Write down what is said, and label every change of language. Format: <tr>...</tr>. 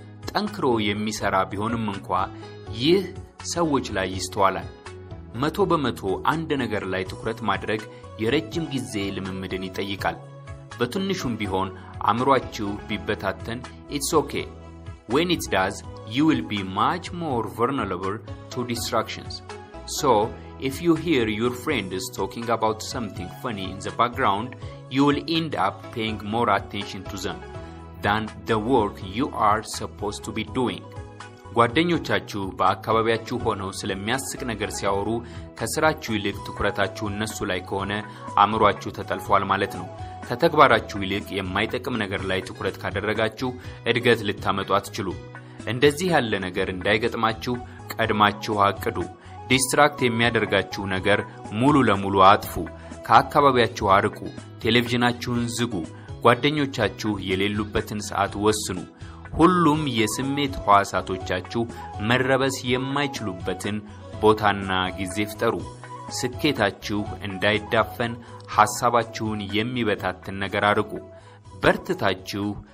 <am>ጠንክሮ የሚሰራ ቢሆንም እንኳ ይህ ሰዎች ላይ ይስተዋላል። 100% አንድ ነገር ላይ ትኩረት ማድረግ የረጅም ጊዜ ልምምድን ይጠይቃል። በትንሹም ቢሆን አምሯችሁ ቢበታተን</am> <en>it's okay. When it does, you will be much more vulnerable to distractions. So, if you hear your friend is talking about something funny in the background, you will end up paying more attention to them than the work you are supposed to be doing.</en> <am>ጓደኞቻችሁ በአካባቢያችሁ ሆነው ስለሚያስቅ ነገር ሲያወሩ ከስራችሁ ይልቅ ትኩረታችሁ እነሱ ላይ ከሆነ አምሯችሁ ተጠልፏል ማለት ነው። ከተግባራችሁ ይልቅ የማይጠቅም ነገር ላይ ትኩረት ካደረጋችሁ እድገት ልታመጡ አትችሉ። እንደዚህ ያለ ነገር እንዳይገጥማችሁ ቀድማችሁ አቅዱ። ዲስትራክት የሚያደርጋችሁ ነገር ሙሉ ለሙሉ አጥፉ። ከአካባቢያችሁ አርቁ። ቴሌቪዥናችሁን ዝጉ። ጓደኞቻችሁ የሌሉበትን ሰዓት ወስኑ። ሁሉም የስሜት ሐዋሳቶቻችሁ መረበስ የማይችሉበትን ቦታና ጊዜ ፍጠሩ። ስኬታችሁ እንዳይዳፈን ሐሳባችሁን የሚበታትን ነገር አርቁ። በርትታችሁ</am>